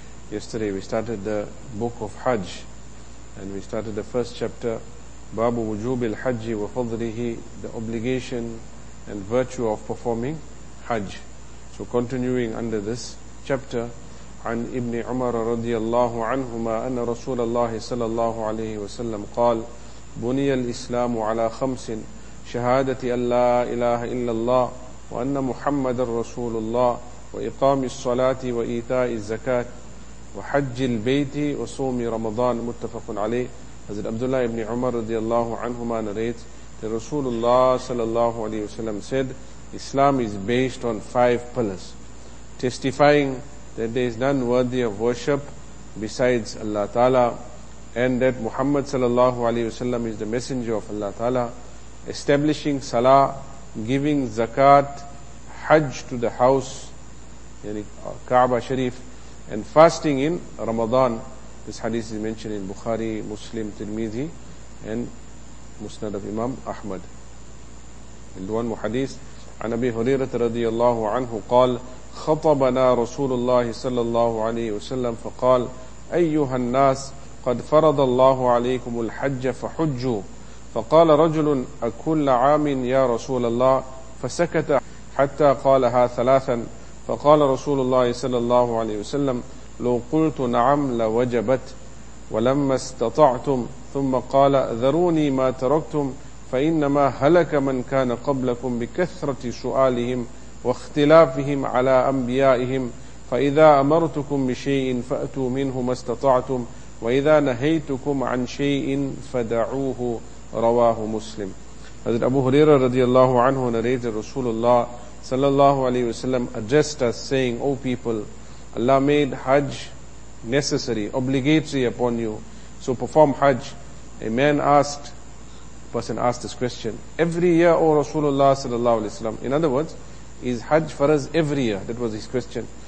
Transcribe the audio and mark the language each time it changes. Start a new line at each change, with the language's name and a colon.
English: Yesterday we started the book of Hajj, and we started the first chapter, Babu Wujub al-Hajj wa Fadlihi, the obligation and virtue of performing Hajj. So continuing under this chapter,
Arabic: عن ابن عمر رضي الله عنهما أن رسول الله صلى الله عليه وسلم قال بني الإسلام على خمس شهادة أن لا إله إلا الله وأن محمد رسول الله وإقام الصلاة وإيتاء الزكاة وحج البيت وصوم رمضان متفق عليه.
English: حضرت عبداللہ ابن عمر رضی اللہ عنہما narrates that Rasulullah sallallahu alayhi wasallam said Islam is based on five pillars, testifying that there is none worthy of worship besides Allah Ta'ala, and that Muhammad sallallahu alayhi wasallam is the messenger of Allah Ta'ala, establishing salah, giving zakat, hajj to the house, yani Kaaba Sharif, and fasting in Ramadan. This hadith is mentioned in Bukhari, Muslim, Tirmidhi, and Musnad of Imam Ahmad. In the one hadith,
Arabic: عن أبي هريرة رضي الله عنه قال خطبنا رسول الله صلى الله عليه وسلم فقال أيها الناس قد فرض الله عليكم الحج فحجوا فقال رجل أكل عام يا رسول الله فسكت حتى قالها ثلاثا فقال رسول الله صلى الله عليه وسلم لو قلت نعم لوجبت ولما استطعتم ثم قال ذروني ما تركتم فإنما هلك من كان قبلكم بكثرة سؤالهم واختلافهم على أنبيائهم فإذا أمرتكم بشيء فأتوا منه ما استطعتم وإذا نهيتكم عن شيء فدعوه رواه مسلم.
English: حضرت أبو هريرة رضي الله عنه narrated رسول الله sallallahu alayhi wa sallam addressed us saying, O people, Allah made Hajj necessary, obligatory upon you, so perform Hajj. A person asked this question, every year, O Rasulullah sallallahu alayhi wa sallam, in other words, is Hajj farz every year? That was his question.